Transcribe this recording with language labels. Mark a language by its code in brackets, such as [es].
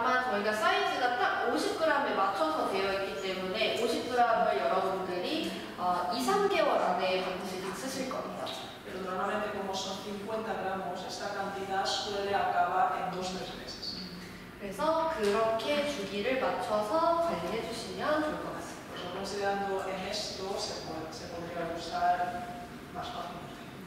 [ko] 저희가 사이즈가 딱 50g에 맞춰서 되어 있기 때문에 50g을 여러분들이 2-3개월 안에 반드시 다 쓰실 겁니다. [es] Pero normalmente como son 50 gramos, esta cantidad suele acabar en 2-3 meses. [ko] 그래서 그렇게 주기를 맞춰서 관리해 주시면 좋을 것 같습니다. [es] Pues considerando en esto, se podría usar más fácilmente.